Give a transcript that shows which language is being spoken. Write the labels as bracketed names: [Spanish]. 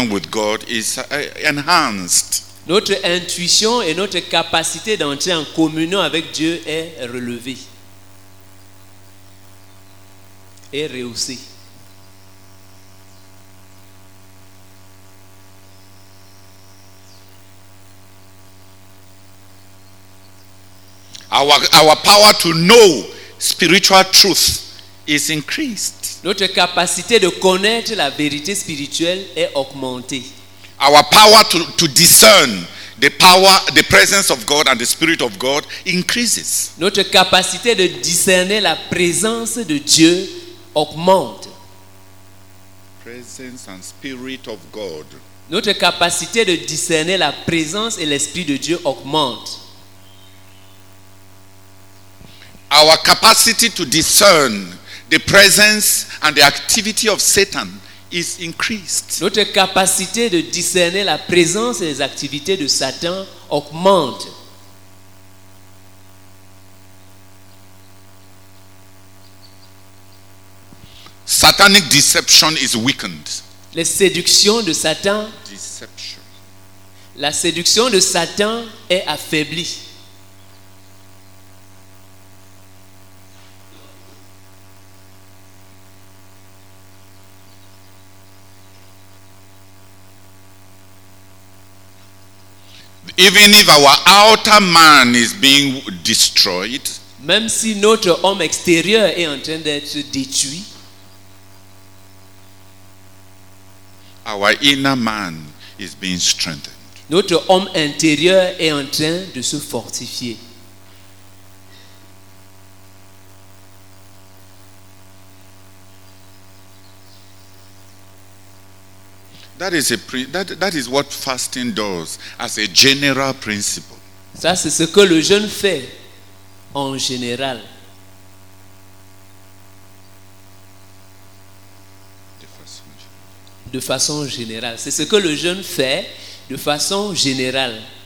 [English] Our intuition and the power to enter into communion with God is enhanced. [French] Notre intuition et notre capacité d'entrer en communion avec Dieu est relevée. Et réussi. [English] Our power to know spiritual truth is increased. [French] Notre capacité de connaître la vérité spirituelle est augmentée. [English] Our power to discern the presence of God and the Spirit of God increases. [French] Notre capacité de discerner la présence de Dieu augmente. [English] Presence and Spirit of God. [French] Notre capacité de discerner la présence et l'esprit de Dieu augmente. [English] Our capacity to discern the presence and the activity of Satan is increased. [French] Notre capacité de discerner la présence et les activités de Satan augmente. [English] Satanic deception is weakened. [French] Les séductions de Satan. [English] Deception. [French] La séduction de Satan est affaiblie. [English] Even if our outer man is being destroyed. [French] Même si notre homme extérieur est en train d'être détruit. [English] Our inner man is being strengthened. [French] Notre homme intérieur est en train de se fortifier. [English] That is what fasting does as a general principle. [French] Ça c'est ce que le jeûne fait en général. De façon générale. C'est ce que le jeûne fait de façon générale.